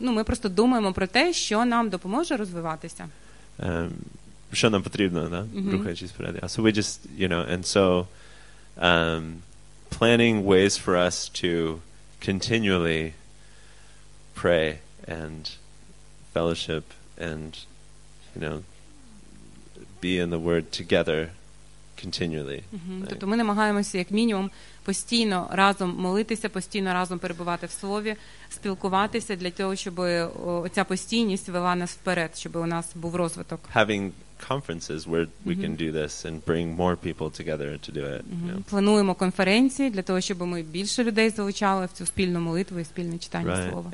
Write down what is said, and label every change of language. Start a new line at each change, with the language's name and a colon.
Ukrainian: Ми просто думаємо про те, що нам допоможе розвиватися. Що нам потрібно, да? Рухаючись вперед.
English: So we just, you know, and so planning ways for us to continually pray and fellowship and, you know, be in the word together continually.
Ukrainian: Тобто ми намагаємося як мінімум постійно разом молитися, постійно разом перебувати в слові, спілкуватися для того, щоб оця постійність вела нас вперед, щоб у нас був розвиток.
English: Having conferences where we can do this and bring more people together to do it.
Ukrainian: Плануємо конференції для того, щоб ми більше людей залучали в цю спільну молитву і спільне читання слова.